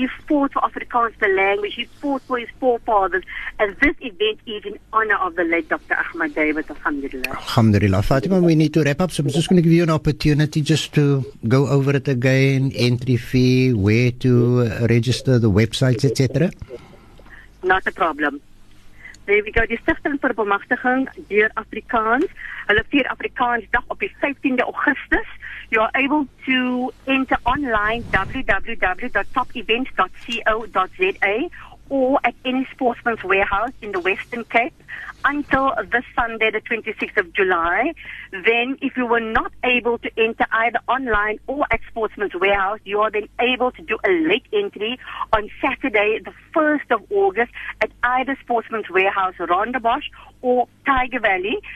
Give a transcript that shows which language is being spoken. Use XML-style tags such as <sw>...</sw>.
<en>He fought for Afrikaans, the language. He fought for his forefathers. And this event is in honor of the late Dr. Achmat Davids. Alhamdulillah. Fatima, we need to wrap up, so I'm just going to give you an opportunity just to go over it again. Entry fee, where to register, the websites, etc. Not a problem. There we go.</en> <af>Die Stigting vir Bemagtiging deur Afrikaans. Hulle vier Afrikaans dag op die 15de Augustus.</af> <en>You are able to enter online www.topevents.co.za or at any sportsman's warehouse in the Western Cape until this Sunday, the 26th of July. Then if you were not able to enter either online or at sportsman's warehouse, you are then able to do a late entry on Saturday, the 1st of August at either sportsman's warehouse, Rondebosch or Tiger Valley.</en>